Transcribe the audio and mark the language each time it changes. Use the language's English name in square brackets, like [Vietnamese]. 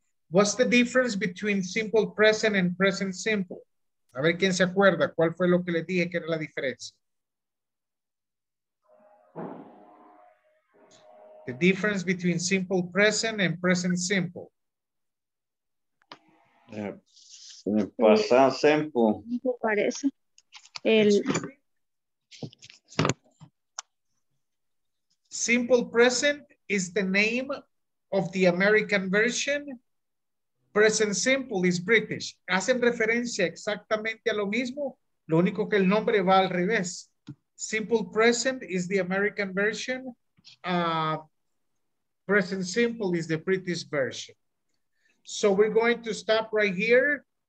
[English] What's the difference between simple present and present simple? [Spanish] A ver quién se acuerda. ¿Cuál fue lo que le dije que era la diferencia? [English] The difference between simple present and present simple. [Spanish] Pasado simple. Parece. El [English] simple present is the name of the American version. Present simple is British. [Spanish] Hacen referencia exactamente a lo mismo, lo único que el nombre va al revés. [English] Simple present is the American version. Present simple is the British version. So we're going to stop right here.